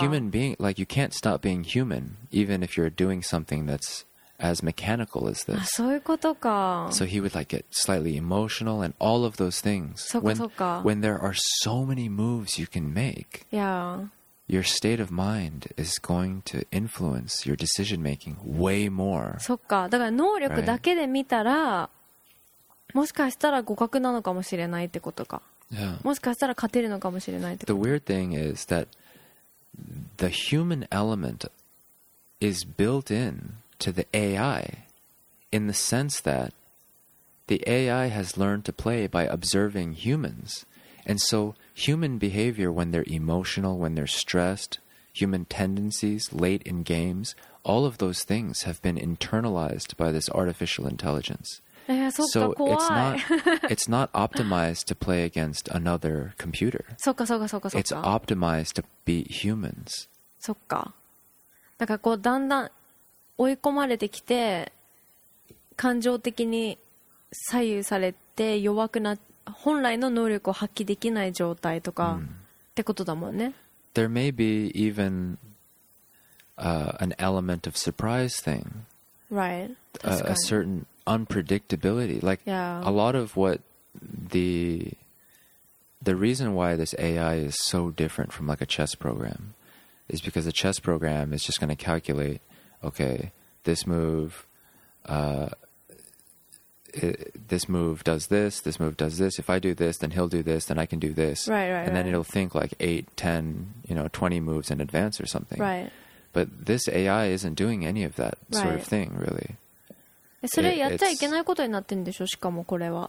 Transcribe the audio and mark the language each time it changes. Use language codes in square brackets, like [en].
[en] Human being, like you can't stop being human even if you're doing something that's as mechanical as this. [ja] そういうことか。 [en] So he would like get slightly emotional and all of those things. [ja] そうかそうか。 [en] When there are so many moves you can make. Yeah. Your state of mind is going to influence your decision making way more. [ja] そっか。だから能力だけで見たら、もしかしたら互角なのかもしれないってことか。 [en] Yeah. [ja] もしかしたら勝てるのかもしれないってこと。 [en] The weird thing is that the human element is built in to the AI in the sense that the AI has learned to play by observing humans. And so human behavior when they're emotional, when they're stressed, human tendencies late in games, all of those things have been internalized by this artificial intelligence. So it's not optimized to play against another computer. It's optimized to beat humans. [ja] そっか。だからこうだんだん追い込まれてきて、感情的に左右されて弱くなって、本来の能力を発揮できない状態とかってことだもんね。 [en] There may be even an element of surprise thing. Right. A certain unpredictability. Like、 yeah. a lot of what the reason why this AI is so different from like a chess program is because a chess program is just going to calculate, okay, this move, this move does this. If I do this, then he'll do this, then I can do this. Right. And then it'll think like 8, 10, you know, 20 moves in advance or something. Right. But this AI isn't doing any of that sort of thing, really. [ja] それやっちゃいけないことになってんでしょ、しかもこれは。